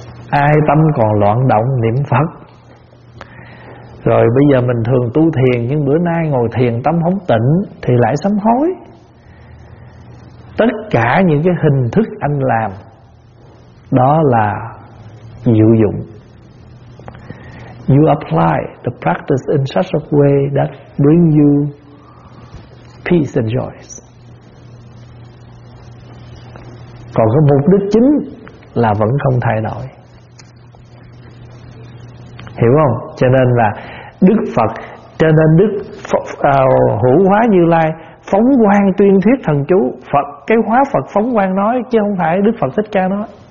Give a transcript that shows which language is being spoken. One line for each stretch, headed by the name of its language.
Vietnamese: Ai tâm còn loạn động niệm Phật. Rồi bây giờ mình thường tu thiền, nhưng bữa nay ngồi thiền tâm không tịnh thì lại sám hối. Tất cả những cái hình thức anh làm đó là diệu dụng.
English: You apply the practice in such a way that bring you peace and joy.
Vietnamese: Còn cái mục đích chính là vẫn không thay đổi. Hiểu không? Cho nên là Đức Phật, cho nên Đức Hữu Hóa Như Lai phóng quang tuyên thuyết thần chú Phật, cái hóa Phật phóng quang nói, chứ không phải Đức Phật Thích Ca nói.